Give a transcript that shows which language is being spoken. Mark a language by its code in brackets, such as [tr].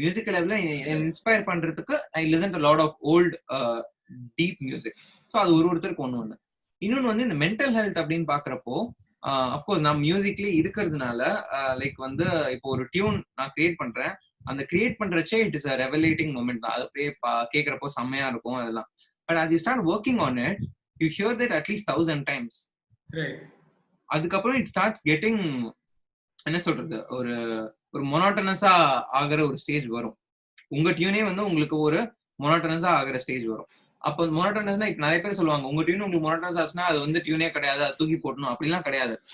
[en] Music level, inspire [ta] பண்றதுக்கு [en] I listen to a lot of old deep music. [ta] So அது ஒரு ஒருத்தருக்கு ஒண்ணு ஒண்ணு. இன்னொன்னு வந்து இந்த மென்டல் ஹெல்த் அப்படின்னு பாக்குறப்போ, [en] of course [ta] நான் மியூசிக்லயே இருக்கிறதுனால, லைக் வந்து இப்போ ஒரு டியூன் நான் கிரியேட் பண்றேன், அந்த create பண்றச்சே [en] it is a revelating moment [ta] தான். அது அப்படியே கேட்கறப்போ செம்மையா இருக்கும் அதெல்லாம். But [en] as you start working on it, you hear that at least 1,000 times. Right. [ta] அதுக்கப்புறம் [en] it starts getting [ta] என்ன சொல்றது, ஒரு மொனோட்டனஸா ஆகிற ஒரு ஸ்டேஜ் வரும். உங்க டியூனே வந்து உங்களுக்கு ஒரு மொனோட்டனஸா ஆகிற ஸ்டேஜ் வரும். அப்ப மொனோட்டனஸ்னா இப்ப நிறைய பேர் சொல்லுவாங்க, உங்க டியூன் உங்களுக்கு மொனோட்டனஸ் ஆச்சுன்னா அது வந்து டியூனே கிடையாது, அது தூக்கி போடணும் அப்படிலாம் கிடையாது.